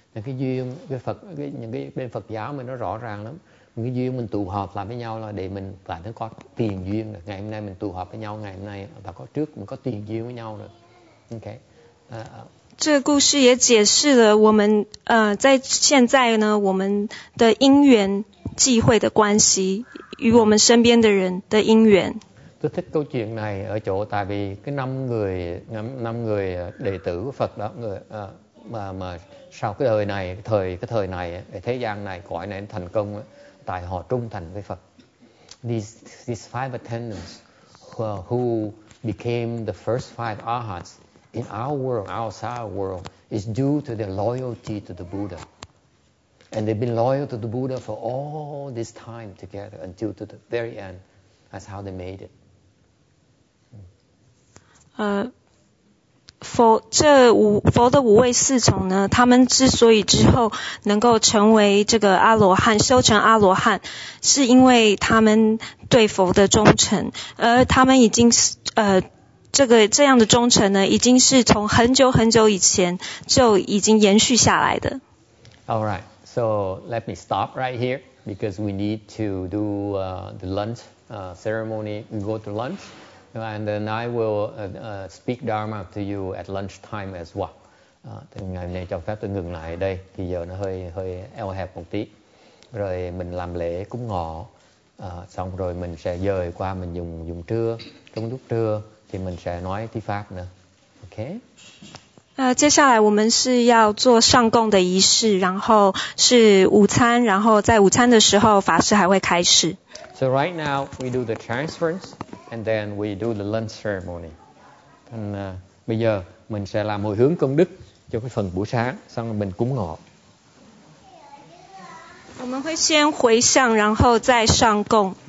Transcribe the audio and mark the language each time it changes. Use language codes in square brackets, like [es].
[vi] Cái duyên với Phật, những cái bên Phật giáo mình nó rõ ràng lắm. Cái duyên mình tụ họp lại với nhau là để mình lại nó có tiền duyên. Ngày hôm nay mình tụ họp với nhau ngày hôm nay và có trước mình có tiền duyên với nhau rồi. [en] Okay. [zh] 这个故事也解释了我们在现在呢我们的因缘际会的关系与我们身边的人的因缘。 [vi] Tôi thích câu chuyện này ở chỗ tại vì cái năm người đệ tử của Phật đó người mà sau cái đời này cái thời này cái thế gian này cõi này thành công tại họ trung thành với Phật. [en] These five attendants who became the first five arhats in our world, outside our world, is due to their loyalty to the Buddha. And they've been loyal to the Buddha for all this time together until to the very end. That's how they made it. [zh] 佛的五位侍从呢，他们之所以之后能够成为这个阿罗汉，修成阿罗汉，是因为他们对佛的忠诚，而他们已经这样的忠诚呢，已经是从很久很久以前就已经延续下来的。 [en] All right, so let me stop right here because we need to do the lunch ceremony. We go to lunch. And then I will speak Dharma to you at lunchtime as well. [vi] Thì ngày hôm nay cho phép tôi ngừng lại đây. Thì giờ nó hơi eo hẹp một tí. Rồi mình làm lễ cúng ngọ. Xong rồi mình sẽ dời qua mình dùng trưa. Trong lúc trưa thì mình sẽ nói thi pháp nữa. [en] Ok. [zh] 接下来我们是要做上供的仪式，然后是午餐，然后在午餐的时候法事还会开始。 [en] So right now we do the transference. And then we do the lunch ceremony. [vi] And bây giờ mình sẽ làm hồi hướng công đức cho cái phần buổi sáng, xong rồi mình cúng ngọ. [zh] 我们会先回向，然后再上供。